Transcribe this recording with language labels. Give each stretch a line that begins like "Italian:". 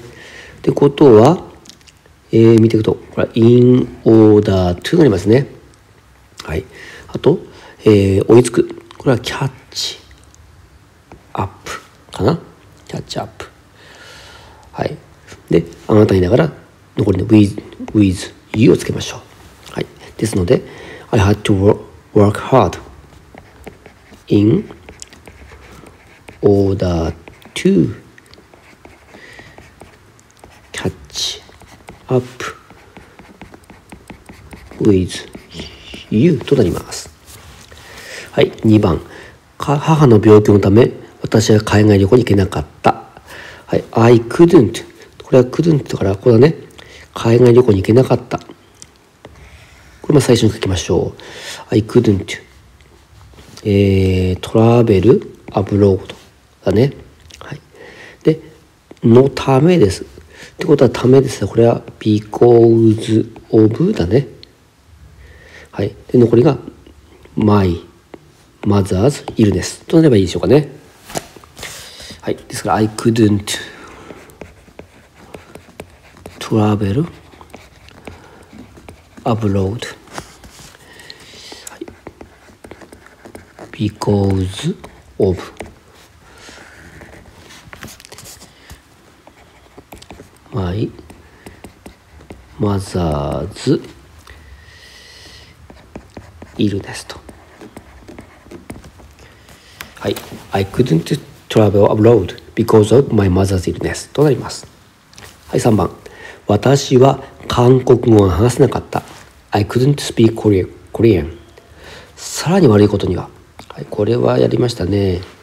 Japanese: ってことは、見ていくと、これは
English: in order to
Japanese: となりますね。はい、あと、追いつく、これは
English: catch up
Japanese: かな、
English: catch up、
Japanese: はい、で、あなたにながら残りの
English: with you
Japanese: をつけましょう。はい、ですので
English: I had to work hardin order to catch up with you
Japanese: となります。はい、2番、母の病気のため私は海外旅行に行けなかった。はい、
English: I couldn't、
Japanese: これは
English: couldn't
Japanese: だから、ここだね、海外旅行に行けなかった、これも最初に書きましょう。
English: I couldn'tトラベルアブロード
Japanese: だね。はい、でのためです、ってことはためです、これは
English: because of
Japanese: だね。はい、で残りが
English: my mother's illness
Japanese: となればいいでしょうかね。はい、ですから
English: I couldn't travel abroadBecause of my mother's illness
Japanese: と。はい、
English: I couldn't travel abroad because of my mother's illness
Japanese: となります。はい、3番、私は韓国語が話せなかった。
English: I couldn't speak Korean。
Japanese: さらに悪いことには。はい、これはやりましたね。